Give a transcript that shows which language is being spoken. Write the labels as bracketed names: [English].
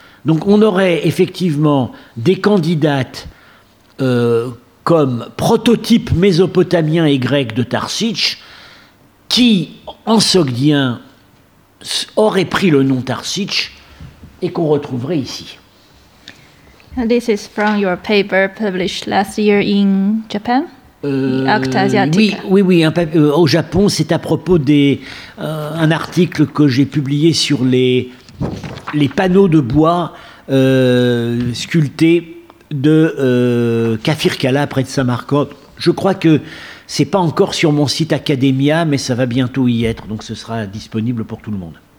[French] Donc on aurait effectivement des candidates comme prototype mésopotamien et grec de Tarsitch, qui en sogdien aurait pris le nom Tarsitch et qu'on retrouverait ici. [English] This is from your paper published last year in Japan. [French] Au Japon, c'est à propos d'un article que j'ai publié sur les panneaux de bois sculptés de Kafir Kala près de Saint-Marcand. Je crois que c'est pas encore sur mon site Academia, mais ça va bientôt y être, donc ce sera disponible pour tout le monde.